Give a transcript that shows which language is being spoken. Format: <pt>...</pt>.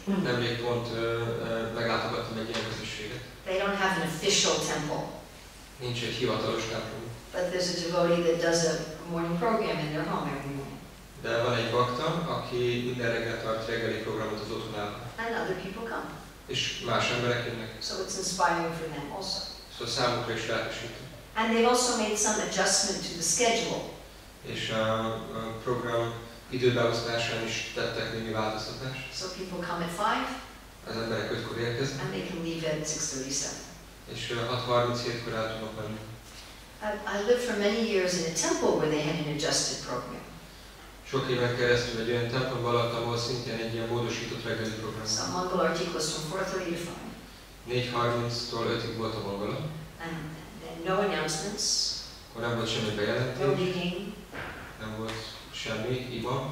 <hu>Nemrég pont meglátogattam egy ilyen közösséget.</hu> <en>They don't have an official temple.</en> <hu>Nincs egy hivatalos templom.</hu> <en>But there's a devotee that does a morning program in their home every morning.</en> <hu>De van egy bakta, aki minden reggel tart reggeli programot az otthonában.</hu> <en>And other people come.</en> <hu>És más emberek jönnek.</hu> <en>So it's inspiring for them also.</en> <hu>Szóval számukra is lehetősítő.</hu> <en>And they've also made some adjustment to the schedule.</en> <hu>És a program időbeosztásán is tettek némi változtatást.</hu> <en>So people come at 5.</en> <hu>Az emberek 5-kor érkeznek.</hu> <en>And they can leave at 6:37.</en> <hu>És 6:37-kor el tudnak menni.</hu> <en>I lived for many years in a temple where they had an adjusted program.</en> <hu>Sok éven keresztül egy olyan templomban laktam, ahol szintén egy ilyen módosított reggeli program.</hu> <en>Some mongol articles from 4:35.</en> <hu>4:30-tól 5-ig volt a mongola.</hu> <en>No announcements.</en> <hu>Akkor nem volt semmi bejelentés.</hu> <en>No meeting.</en> <hu>Nem volt semmi ima.</hu>